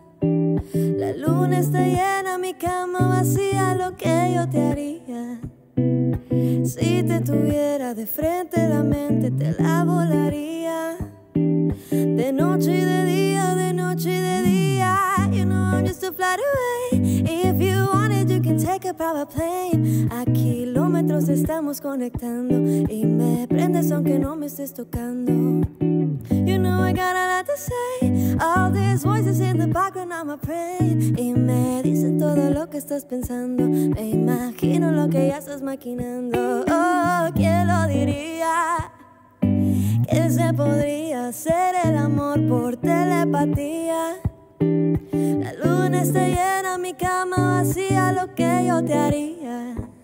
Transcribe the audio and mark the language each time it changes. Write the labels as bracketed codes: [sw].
[es] La luna está llena, mi cama vacía, lo que yo te haría. Si te tuviera de frente, la mente te la volaría. De noche y de día, de noche y de día. [en] You know I'm just a flight away. If you want it, you can take a private plane. [es] A kilómetros estamos conectando. Y me prendes aunque no me estés tocando. [en] You know I got a lot to say. All these voices in the background, I'm a prey. [es] Y me dicen todo lo que estás pensando. Me imagino lo que ya estás maquinando. Oh, ¿quién lo diría? Que se podría hacer el amor por telepatía. La luna está llena, mi cama vacía, lo que yo te haría.